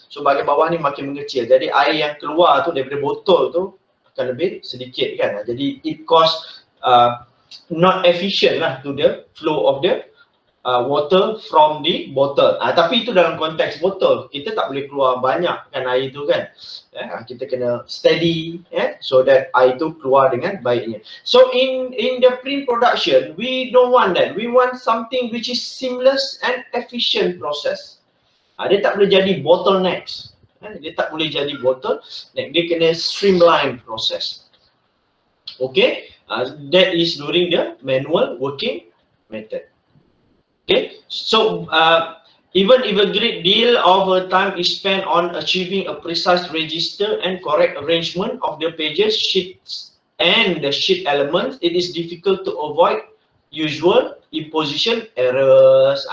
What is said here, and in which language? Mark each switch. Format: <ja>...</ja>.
<ms>So bahagian bawah ni makin mengecil, jadi air yang keluar tu daripada botol tu akan lebih sedikit, kan. Jadi</ms> <en>it cause not efficient lah to the flow of the water from the bottle.</en> <ms>Tapi itu dalam konteks botol, kita tak boleh keluar banyak, kan, air itu, kan. Kita kena steady,</ms> <en>so that</en> <ms>air itu keluar dengan baiknya.</ms> <en>So in the pre-production, we don't want that. We want something which is seamless and efficient process.</en> <ms>Dia tak boleh jadi bottlenecks. Dia tak boleh jadi bottleneck. Dia kena streamline process.</ms> <en>Okay, that is during the manual working method. Okay, so even if a great deal of time is spent on achieving a precise register and correct arrangement of the pages, sheets and the sheet elements, it is difficult to avoid usual imposition errors.</en>